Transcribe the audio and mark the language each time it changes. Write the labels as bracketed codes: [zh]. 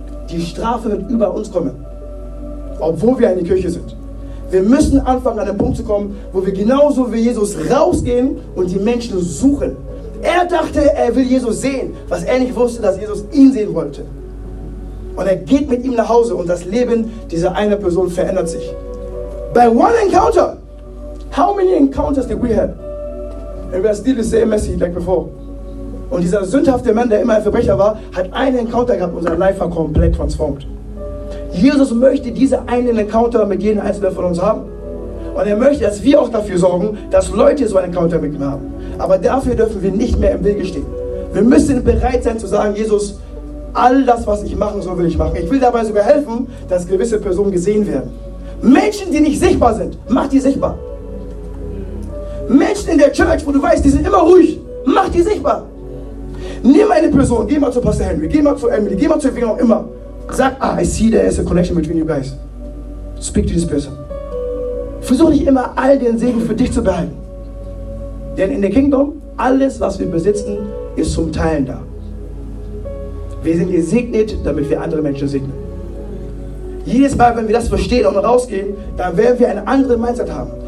[de] Die Strafe wird über uns kommen, obwohl wir in der Kirche sind. Wir müssen anfangen, an den Punkt zu kommen, wo wir genauso wie Jesus rausgehen und die Menschen suchen. Er dachte, er will Jesus sehen, was er nicht wusste, dass Jesus ihn sehen wollte. Und er geht mit ihm nach Hause und das Leben dieser einen Person verändert sich. [en] Bei One Encounter, how many encounters did we have? And we are still the same message like before. [de] Und dieser sündhafte Mann, der immer ein Verbrecher war, hat einen Encounter gehabt und sein Life war komplett transformiert. Jesus möchte diese einen Encounter mit jedem Einzelnen von uns haben. Und er möchte, dass wir auch dafür sorgen, dass Leute so einen Encounter mit ihm haben. Aber dafür dürfen wir nicht mehr im Wege stehen. Wir müssen bereit sein zu sagen, Jesus, all das, was ich machen soll, will ich machen. Ich will dabei sogar helfen, dass gewisse Personen gesehen werden. Menschen, die nicht sichtbar sind, mach die sichtbar. Menschen in der Church, wo du weißt, die sind immer ruhig, mach die sichtbar. Nimm eine Person, geh mal zu Pastor Henry, geh mal zu Emily, geh mal zu wem auch immer. [en] Sag, ah, I see there is a connection between you guys. Speak to this person. [de] Versuch nicht immer, all den Segen für dich zu behalten. Denn in der Kingdom, alles, was wir besitzen, ist zum Teilen da. Wir sind gesegnet, damit wir andere Menschen segnen. Jedes Mal, wenn wir das verstehen und rausgehen, dann werden wir einen anderen Mindset haben.